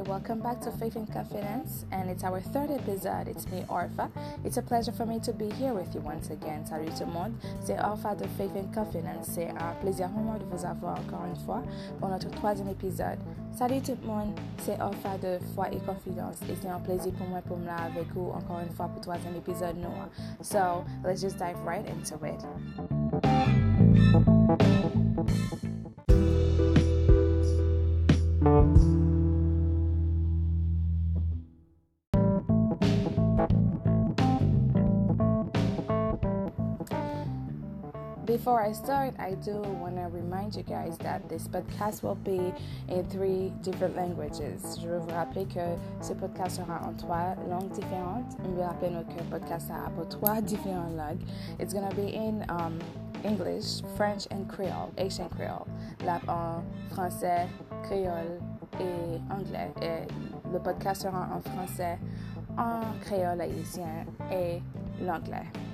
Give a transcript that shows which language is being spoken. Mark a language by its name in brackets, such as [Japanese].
[English] Welcome back to Faith and Confidence, and it's our third episode. It's me, Orpha. It's a pleasure for me to be here with you once again. [French] Salut tout le monde. C'est Orpha de Faith and Confidence. C'est un plaisir pour moi de vous avoir encore une fois pour notre troisième épisode. Salut tout le monde. C'est Orpha de Foi et Confidence. Et c'est un plaisir pour moi pour me l'avoir avec vous encore une fois pour troisième épisode, Noah. [English] So, let's just dive right into it. Before I start, I do want to remind you guys that this podcast will be in three different languages. [French] Je veux vous rappeler que ce podcast sera en trois langues différentes. Je veux rappeler que le podcast sera pour trois différentes langues. [English] It's going to be in English, French and Creole, Asian Creole. [French] Là, en français, créole et anglais. Et le podcast sera en français, en créole haïtien et l'anglais.